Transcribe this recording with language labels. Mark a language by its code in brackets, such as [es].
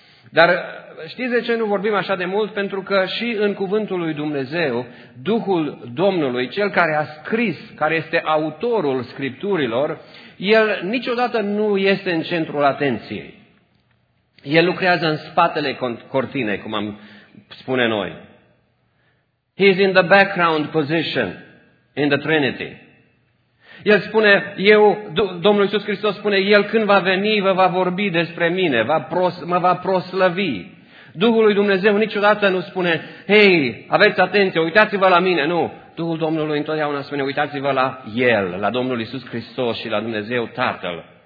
[ro] Dar știți de ce nu vorbim așa de mult? Pentru că și în Cuvântul Lui Dumnezeu, Duhul Domnului, Cel care a scris, care este autorul Scripturilor, El niciodată nu este în centrul atenției. El lucrează în spatele cortinei, cum am spune noi. [en] He is in the background position in the Trinity. [ro] El spune, Domnul Iisus Hristos spune, El când va veni, vă va vorbi despre mine, mă va proslăvi. Duhul lui Dumnezeu niciodată nu spune, hei, aveți atenție, uitați-vă la mine, nu. Duhul Domnului întotdeauna spune, uitați-vă la El, la Domnul Iisus Hristos și la Dumnezeu Tatăl.